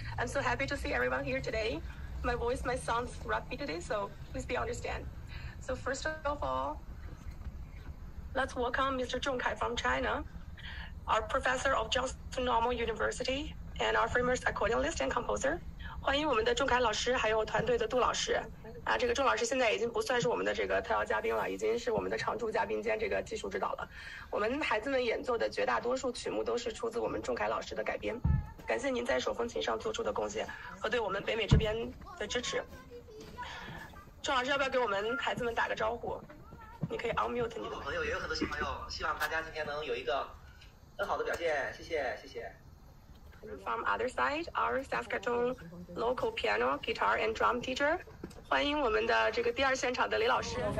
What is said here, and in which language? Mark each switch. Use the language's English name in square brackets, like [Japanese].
[English] I'm so happy to see everyone here today. My voice might sound rapid today, so please be understand. So first of all, let's welcome Mr. Zhong Kai from China, our professor of Johnson Normal University and our famous accordionist and composer. [Chinese] 欢迎我们的仲凯老师，还有团队的杜老师。啊，这个仲老师现在已经不算是我们的这个特邀嘉宾了，已经是我们的常驻嘉宾兼这个技术指导了。我们孩子们演奏的绝大多数曲目都是出自我们仲凯老师的改编，感谢您在手风琴上做出的贡献和对我们北美这边的支持。仲老师，要不要给我们孩子们打个招呼？你可以 unmute 你的朋友，也有很多新朋友，希望大家今天能有一个很好的表现，谢谢，谢谢。 [English] From other side, our Saskatoon local piano, guitar, and drum teacher. [Chinese] 欢迎我们的这个第二现场的李老师。